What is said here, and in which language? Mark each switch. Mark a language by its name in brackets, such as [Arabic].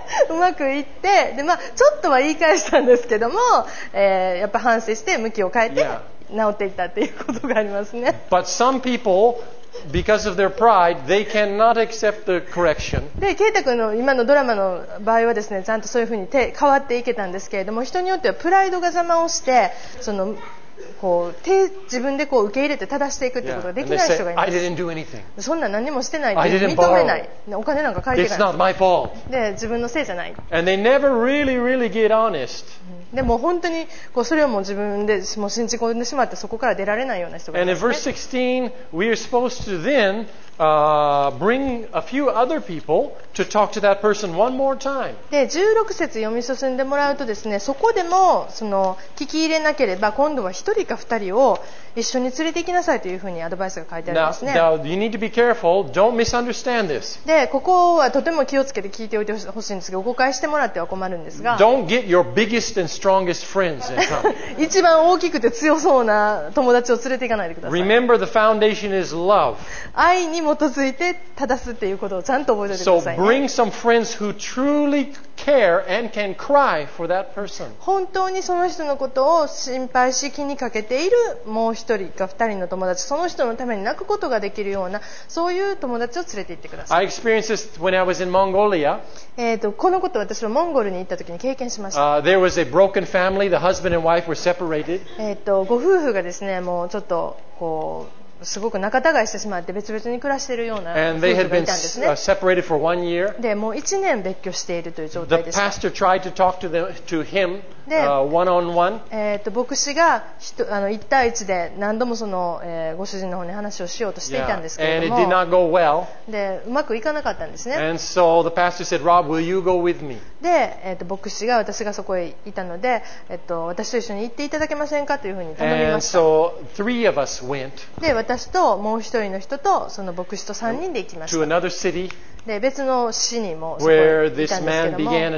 [Japanese] うまくいって、で、まあ、ちょっとは言い返したんですけども、やっぱ反省して向きを変えて治っていったっていうことがありますね。 [English] But some people... Because of their pride, they cannot accept the correction. [Japanese] で、ケイタ君の今のドラマの場合はですね、ちゃんとそういうふうに変わっていけたんですけれども、人によってはプライドが邪魔をして、そのこう自分でこう受け入れて正していくということができない人がいます。 [English] I didn't do anything. [Japanese] そんな何もしてない。 [English] I didn't borrow. [Japanese] 認めない。お金なんか借りてない。 [English] It's not my fault. [Japanese] で、自分のせいじゃない。 [English] And they never really, really get honest. [Japanese] でも本当にこうそれをもう自分でもう信じ込んでしまってそこから出られないような人がいますね。 [English] And in verse 16, we are supposed to then, bring a few other people to talk to that person one more time. [Japanese] で16節読み進んでもらうとですね、そこでもその聞き入れなければ今度は1人か2人を一緒に連れて行きなさいというふうにアドバイスが書いてありますね。 [English] Now, you need to be careful. Don't misunderstand this. [Japanese] でここはとても気をつけて聞いておいてほしいんですけど、誤解してもらっては困るんですが。 [English] Don't get your biggest and strongest friends in town. [Japanese] 一番大きくて強そうな友達を連れて行かないでください。 [English] Remember the foundation is love. [Japanese] 愛に基づいて正すっていうことをちゃんと覚えておいてください、ね。 [English] So bring some friends who truly care and can cry for that person. [Japanese] 本当にその人のことを心配し気にかけているもう一人か二人の友達、その人のために泣くことができるようなそういう友達を連れて行ってください。 [English] I experienced this when I was in Mongolia. [Japanese] このことを私はモンゴルに行った時に経験しました。 [English] There was a broken family. The husband and wife were separated. [Japanese] ご夫婦がですね、もうちょっとこうすごく仲違いしてしまって別々に暮らしているような夫婦がいたんですね。 [English] And they had been separated for one year. [Japanese] で、もう1年別居しているという状態でした。 [English] The pastor tried to talk to him. [Japanese] 牧師が一対一で何度もその、ご主人の方に話をしようとしていたんですけれども、 yeah. well. でうまくいかなかったんですね。 [English] And so the pastor said, Rob, will you go with me? [Japanese] で、牧師が私がそこへいたので、私と一緒に行っていただけませんかというふうに頼みました。 [English] And so three of us went. [Japanese] で私ともう一人の人とその牧師と三人で行きました。 [English] To another city. [Japanese] で別の市にもそこにいたんですけども